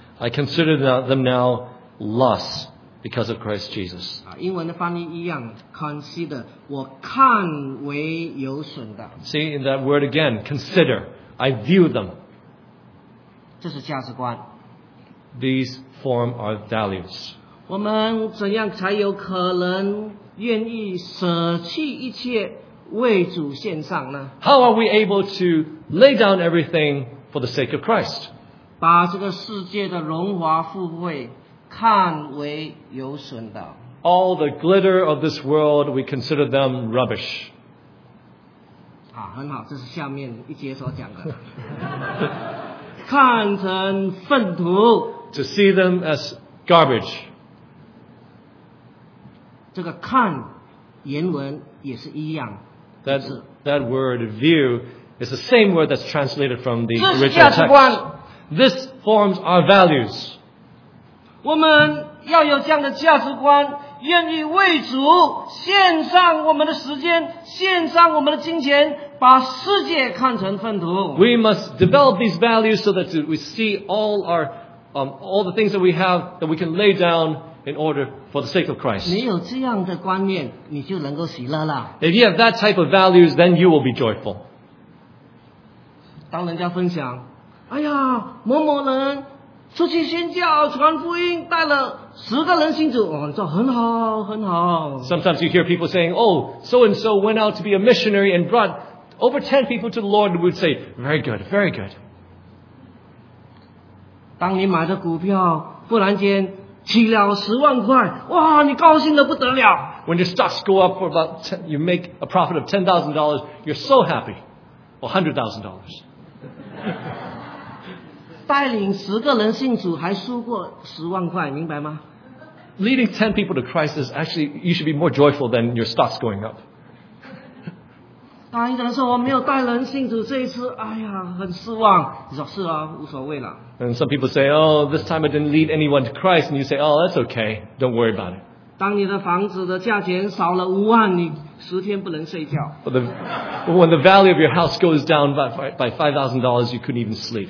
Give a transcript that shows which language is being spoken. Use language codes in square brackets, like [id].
[en] I consider them now loss because of Christ Jesus. [zh] 英文的翻译一样， consider, 我看为有损的。 [en] See in that word again, consider, I view them. [zh] 这是价值观。 [en] These form our values. [zh] 我们怎样才有可能愿意舍弃一切为主献上呢？ [en] How are we able to lay down everything for the sake of Christ? [zh] 把这个世界的荣华富贵看为有损的。 [en] All the glitter of this world, we consider them rubbish. [zh] 啊，很好，这是下面一节所讲的。看成粪土。 [en] To see them as garbage. [zh] 这个看原文也是一样。 [en] That word view is the same word that's translated from the original text. [zh] 这是价值观。 [en] This forms our values. [zh] 我们要有这样的价值观，愿意为主献上我们的时间，献上我们的金钱，把世界看成粪土。 [en] We must develop these values so that we see all our, all the things that we have that we can lay down. In order for the sake of Christ. [zh] 你有这样的观念，你就能够喜乐了。 [en] If you have that type of values, then you will be joyful. [zh] 当人家分享，哎呀，某某人出去宣教、传福音，带了十个人信主，哦，你说很好，很好。 [en] Sometimes you hear people saying, "Oh, so and so went out to be a missionary and brought over 10 people to the Lord." We'd say, "Very good, very good." [zh] 当你买的股票忽然间起了十万块，哇，你高兴得不得了。 [en] When your stocks go up for about ten, you make a profit of $10,000, you're so happy. $100,000. [zh] 带领十个人信主还输过十万块，明白吗？ [en] Leading 10 people to Christ is actually, you should be more joyful than your stocks going up. [zh] 当一个人说我没有带人信主这一次，哎呀，很失望。你说是啊，无所谓了。 [en] And some people say, oh, this time I didn't lead anyone to Christ. And you say, oh, that's okay. Don't worry about it. [zh] 当你的房子的价钱少了五万，你十天不能睡觉。 [en] When the value of your house goes down by $5,000, you couldn't even sleep.